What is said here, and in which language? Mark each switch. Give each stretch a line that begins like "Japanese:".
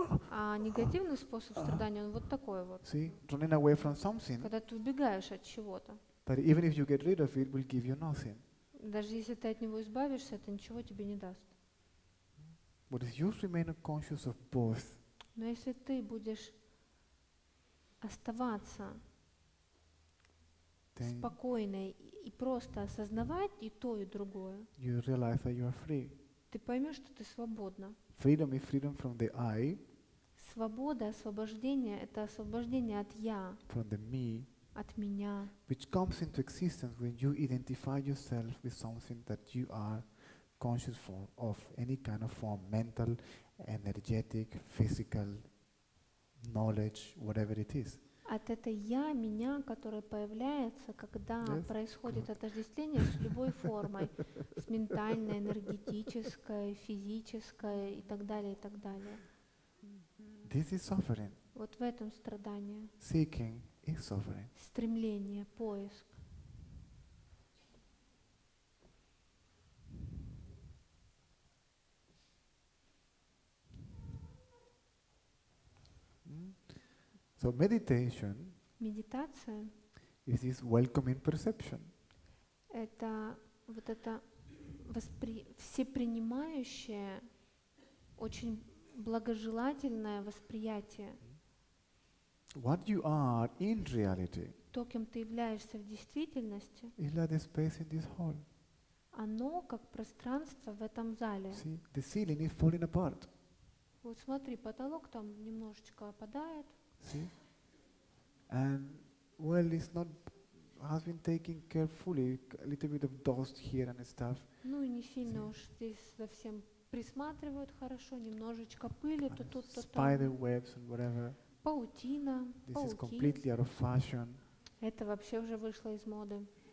Russian: А негативный способ страдания, он вот такой вот.
English: See? Running away from something.
Russian: Когда ты убегаешь от чего-то.
English: That even if you get rid of it, will give you nothing.
Russian: Даже если ты от него избавишься, это ничего тебе не даст.
English: But if you remain conscious of both.
Russian: Но если ты будешь оставаться спокойно и просто осознавать и то, и другое,
English: you realize that you are free.
Russian: Ты поймешь, что ты свободна.
English: Freedom is freedom from the I.
Russian: Свобода, освобождение — это освобождение от «я»,
English: from the me,
Russian: от «меня».
English: Which comes into existence when you identify yourself with something that you are conscious of any kind of form, mental, energetic, physical, knowledge, whatever it is.
Russian: От этой «я», «меня», которое появляется, когда
English: yes?
Russian: происходит
English: Good.
Russian: Отождествление с любой формой, с ментальной, энергетической, физической и так далее, и так далее.
English: This is suffering.
Russian: Вот в этом страдание.
English: Seeking is suffering.
Russian: Стремление, поиск.
English: So meditation.
Russian: Медитация.
English: Is this welcoming perception?
Russian: Это вот это всепринимающее очень благожелательное восприятие.
English: What you are in reality,
Russian: то, кем ты являешься в действительности,
English: is like the space in this hall.
Russian: Оно как пространство в этом зале.
English: See, the ceiling is falling apart.
Russian: Вот смотри, потолок там немножечко опадает.
English: See? And well, it's not has been taken carefully, a little bit of dust here and stuff.
Russian: Ну и не сильно уж здесь совсем присматривают хорошо, немножечко пыли, то тут, то там.
English: Spider webs and whatever.
Russian: Паутина.
English: This is completely out of fashion.
Russian: Это вообще уже вышло из моды.